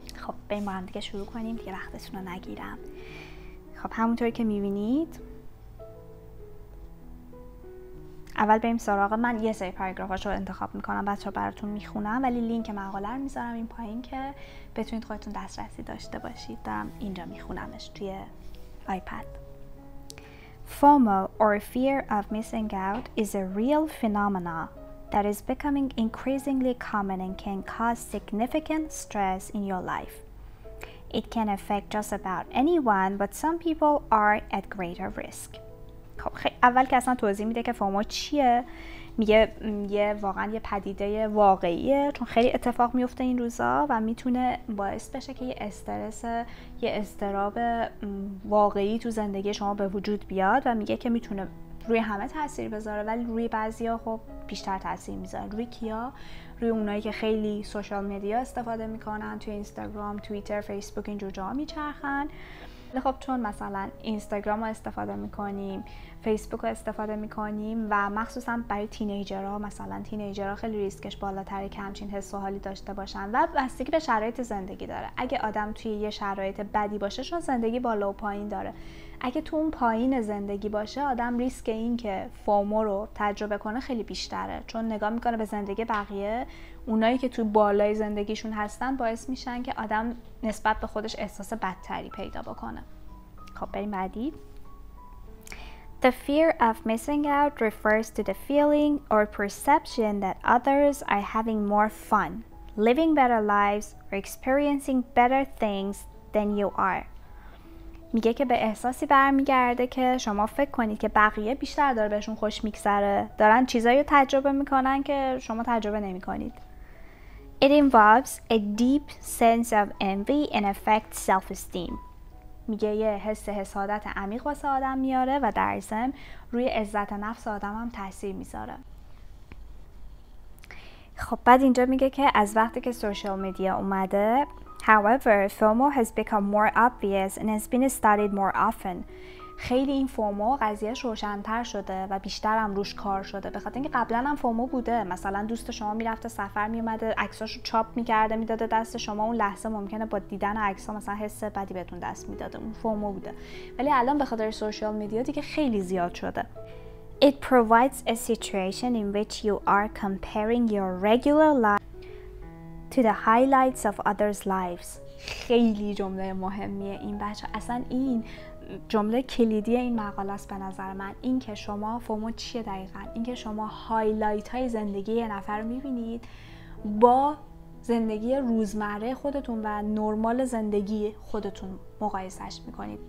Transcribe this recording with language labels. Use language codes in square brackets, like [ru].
[fa] خب بریم با هم دیگه شروع کنیم، دیگه وقتتون رو نگیرم. خب همونطوری که میبینید اول بریم سراغ، من یه سری پاراگرافاش رو انتخاب میکنم بچه‌ها براتون میخونم، ولی لینک مقاله رو میذارم این پایین که بتونید خودتون دسترسی داشته باشید. دارم اینجا میخونمش توی آیپد. [en] FOMO or fear of missing out is a real phenomena that is becoming increasingly common and can cause significant stress in your life. It can affect just about anyone, but some people are at greater risk. [fa] خب اول که اصلا توضیح میده که فومو چیه، میگه یه واقعا یه پدیده واقعیه، چون خیلی اتفاق میفته این روزا و میتونه باعث بشه که یه استرس، یه اضطراب واقعی تو زندگی شما به وجود بیاد و میگه که میتونه روی همه تاثیر بذاره ولی روی بعضیا خب بیشتر تاثیر میذاره. روی کیا؟ روی اونایی که خیلی سوشال مدیا استفاده میکنن، توی اینستاگرام، توییتر، فیسبوک، اینجور جاها میچرخن. خب چون مثلا اینستاگرام رو استفاده میکنیم، فیسبوک رو استفاده میکنیم و مخصوصا برای تینیجرها، مثلا تینیجرها خیلی ریسکش بالاتره که همچین حس و حالی داشته باشن و بستگی به شرایط زندگی داره. اگه آدم توی یه شرایط بدی باشه، چون زندگی بالا و پایین داره، اگه تو اون پایین زندگی باشه آدم ریسک این که فومو رو تجربه کنه خیلی بیشتره، چون نگاه میکنه به زندگی بقیه، اونایی که تو بالای زندگیشون هستن باعث میشن که آدم نسبت به خودش احساس بدتری پیدا بکنه. خب بریم بعدی. [en] The fear of missing out refers to the feeling or perception that others are having more fun living better lives or experiencing better things than you are. [fa] میگه که به احساسی برمیگرده که شما فکر کنید که بقیه بیشتر داره بهشون خوش میگذره، دارن چیزایی رو تجربه میکنن که شما تجربه نمیکنید. [en] It involves a deep sense of envy and affects self-esteem. [fa] میگه یه حس حسادت عمیق واسه آدم میاره و در ضمن روی عزت نفس آدم هم تاثیر میذاره. خب بعد اینجا میگه که از وقتی که سوشال میدیا اومده، [en] However, FOMO has become more obvious and has been studied more often. [fa] خیلی این فومو قضیهش روشن‌تر شده و بیشتر هم روش کار شده. به خاطر اینکه قبلا هم فومو بوده. مثلا دوست شما میرفته سفر میومده، عکساشو چاپ می‌کرده میداده دست شما، اون لحظه ممکنه با دیدن عکس‌ها مثلا حس بدی بهتون دست میداده. اون فومو بوده. ولی الان به خاطر سوشال میدیا دیگه خیلی زیاد شده. [en] It provides a situation in which you are comparing your regular life to the highlights of others' lives. [fa] خیلی جمله مهمیه این بچه. اصلا این جمله کلیدی این مقاله است به نظر من. این که شما فومو چیه دقیقا؟ این که شما هایلایت های زندگی یه نفر میبینید با زندگی روزمره خودتون و نرمال زندگی خودتون مقایسش میکنید.